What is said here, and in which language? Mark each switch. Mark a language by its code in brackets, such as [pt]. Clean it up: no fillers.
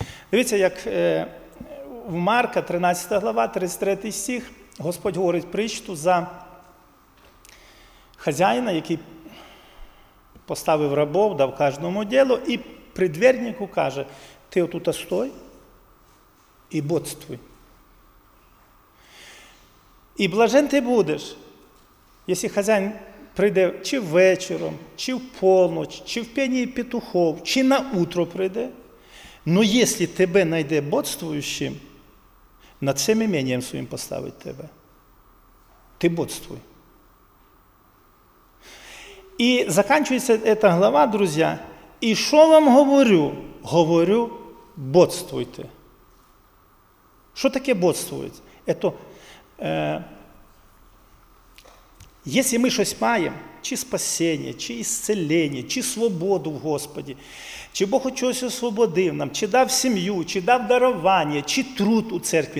[uk] Дивіться, як в Марка, 13 глава, 33 стих, Господь говорить притчу за хазяїна, який поставив рабов, дав кожному діло, і придвірнику каже, ти отут стой і бодствуй. І блажен ти будеш, якщо хазяїн прийде чи вечором, чи в полночь, чи в пені петухов, чи на утро прийде. [ru] Но если тебе найде бодствующим, над всем имением своим поставить тебе. [uk] Ти бодствуй. І заканчується ця глава, друзі. І що вам говорю? Говорю, бодствуйте. Що таке бодствуйте? Це, якщо ми щось маємо, чи спасіння, чи ісцеління, чи свободу в Господі, чи Бог чогось освободив нам, чи дав сім'ю, чи дав дарування, чи труд у церкві.